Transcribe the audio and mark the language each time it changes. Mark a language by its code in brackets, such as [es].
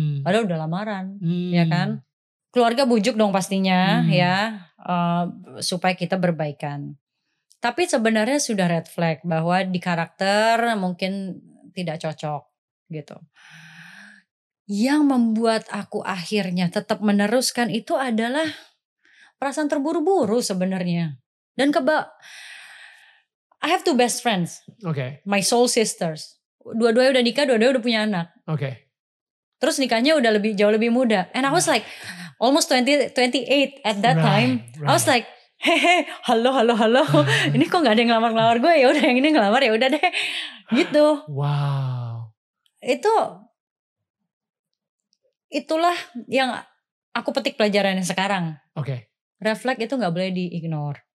[id] Padahal udah lamaran, ya kan? Keluarga bujuk dong pastinya ya, supaya kita berbaikan. Tapi sebenarnya sudah red flag bahwa di karakter mungkin tidak cocok gitu. Yang membuat aku akhirnya tetap meneruskan itu adalah perasaan terburu-buru sebenarnya. [en] Dan I have two best friends. Okay. My soul sisters. [id] Dua-duanya udah nikah, dua-duanya udah punya anak. [en] Okay. [id] Terus nikahnya udah lebih jauh lebih muda. [en] And I was like, almost 28 at that time. Right. I was like, halo. [id] Ini kok gak ada yang ngelamar-ngelamar gue, ya udah yang ini ngelamar ya udah deh. Gitu. [en] Wow. [id] Itulah yang aku petik pelajarannya sekarang. [en] Okay. [id] Reflect itu gak boleh di-ignore.